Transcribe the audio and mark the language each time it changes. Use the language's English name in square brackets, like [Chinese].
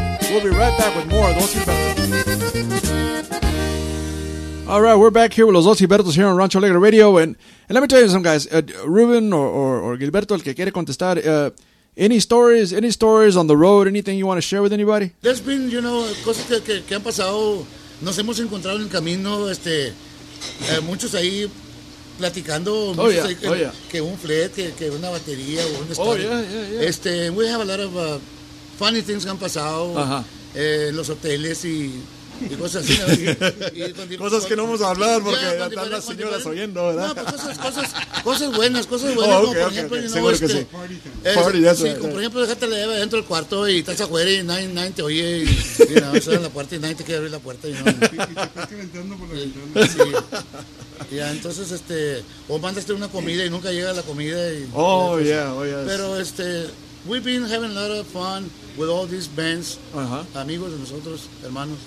[English] We'll be right back with more of Los Ibertos. All right, we're back here with Los Ibertos here on Rancho Alegre Radio. And let me tell you something, guys. Rubén or Gilberto, [Spanish] el que quiere contestar, [English] any stories on the road, anything you want to share with anybody? There's been, you know, [Spanish] cosas que han pasado. Nos hemos encontrado en el camino, muchos ahí platicando, que un flet, que una batería o un estadio. [English] Yeah. We have a lot of funny things [Spanish] que han pasado en los hoteles y cosas así. cosas que no vamos a hablar porque ya están las señoras oyendo, ¿verdad? No, pues cosas buenas. Por ejemplo, [English] Party, [Spanish] sí. Por ejemplo, dejate la llave dentro del cuarto y estás afuera y nadie te oye y no, en la puerta y nadie te quiere abrir la puerta. Y te estás calentando por la ventana. Ya, entonces, o mandaste una comida y nunca llega la comida. [English] Oh, yes. [Spanish] Pero, [English] we've been having a lot of fun with all these bands, [Spanish] amigos de nosotros, hermanos.